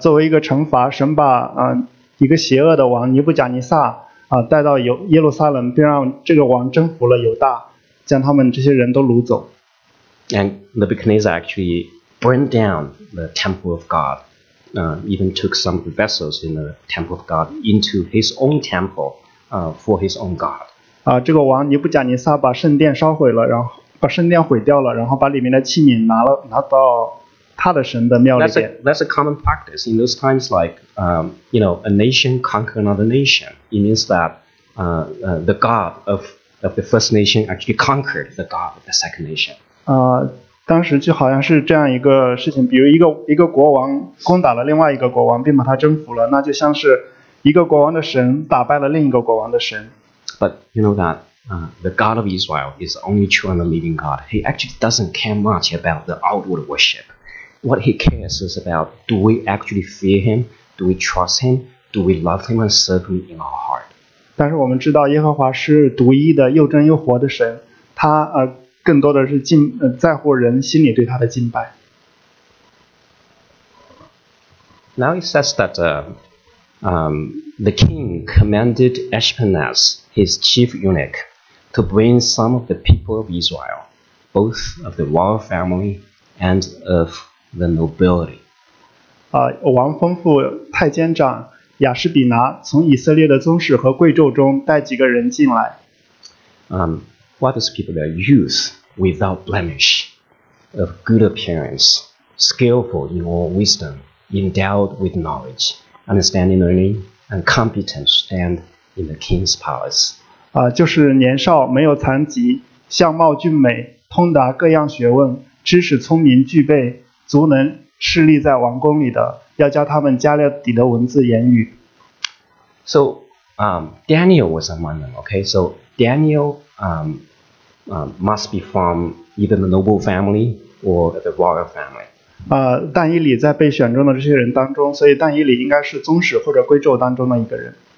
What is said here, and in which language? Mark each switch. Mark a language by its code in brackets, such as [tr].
[zh] 作为一个惩罚，神把一个邪恶的王尼布甲尼撒带到耶路撒冷，并让这个王征服了犹大，将他们这些人都掳走。 [en] And Nebuchadnezzar actually burned down the temple of God, even took some of the vessels in the temple of God into his own temple for his own God. [zh] 这个王尼布甲尼撒把圣殿烧毁了，然后把圣殿毁掉了，然后把里面的器皿拿到他的神的庙里面。 [en] That's a common practice in those times, like, you know, a nation conquer another nation. It means that the God of the first nation actually conquered the God of the second nation. [zh] 当时就好像是这样一个事情，比如一个国王攻打了另外一个国王，并把他征服了，那就像是一个国王的神打败了另一个国王的神。 [en] But you know that the God of Israel is the only true and the living God. He actually doesn't care much about the outward worship. What he cares is about, do we actually fear him? Do we trust him? Do we love him and serve him in our heart? [zh] 但是我们知道耶和华是独一的又真又活的神，他更多的是在乎人心里对他的敬拜。 [en] Now it says that the king commanded Ashpenaz, his chief eunuch, to bring some of the people of Israel, both of the royal family and of the nobility. [zh] 王吩咐太监长亚士比拿从以色列的宗室和贵胄中带几个人进来。 [en] What is people? They are youth without blemish, of good appearance, skillful in all wisdom, endowed with knowledge, understanding learning, and competent to stand in the king's palace. [zh] 就是年少没有残疾，相貌俊美，通达各样学问，知识聪明具备，足能侍立在王宫里的，要教他们加勒底的文字言语。 [en] So, Daniel was among them, okay? So, Daniel must be from either the noble family or the royal family. [zh] 但以理在被选中的这些人当中，所以但以理应该是宗室或者贵胄当中的一个人。